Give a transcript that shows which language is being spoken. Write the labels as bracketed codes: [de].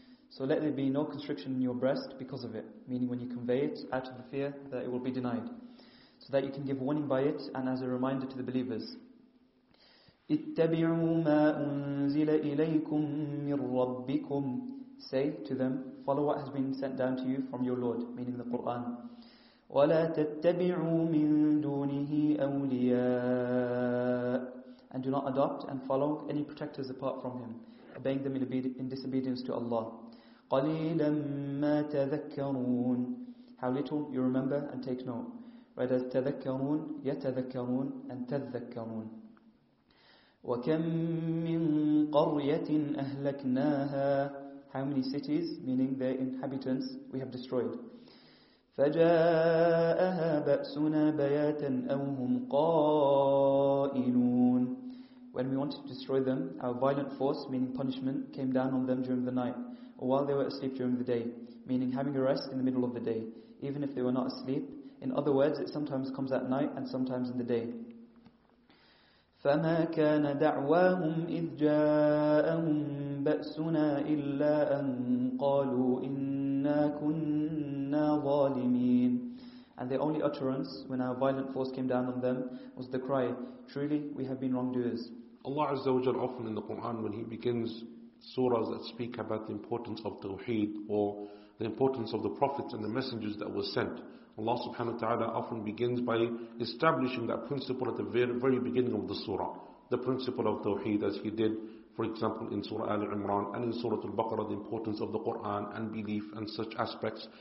[en] So let there be no constriction in your breast because of it, meaning when you convey it, out of the fear that it will be denied, so that you can give warning by it and as a reminder to the believers. [ar] اتَّبِعُوا مَا أُنْزِلَ إِلَيْكُمْ مِّنْ رَبِّكُمْ. [en] Say to them, follow what has been sent down to you from your Lord, meaning the Qur'an. [ar] ولا تتبعوا من دونه أولياء. [en] And do not adopt and follow any protectors apart from him, obeying them in disobedience to Allah. [ar] قليلا ما تذكرون. [en] How little you remember and take note. [ar] Rather تذكرون يتذكرون and تذكرون. وكم من قرية أهلكناها. [en] How many cities, meaning their inhabitants, we have destroyed. [ar] فجاءها بأسنا بياتا أو هم قائلون. [en] When we wanted to destroy them, our violent force, meaning punishment, came down on them during the night, or while they were asleep during the day, meaning having a rest in the middle of the day, even if they were not asleep. In other words, it sometimes comes at night and sometimes in the day. [ar] فما كان دعواهم إذ جاءهم بأسنا إلا أن قالوا إنا كنا. [en] And their only utterance when our violent force came down on them was the cry, truly we have been wrongdoers. Allah Azza wa Jal often in the Quran, when He begins surahs that speak about the importance of Tawheed or the importance of the prophets and the messengers that were sent, Allah subhanahu wa ta'ala often begins by establishing that principle at the very beginning of the surah, the principle of Tawheed, as He did for example in Surah Ali Imran and in Surah Al-Baqarah, the importance of the Qur'an and belief and such aspects.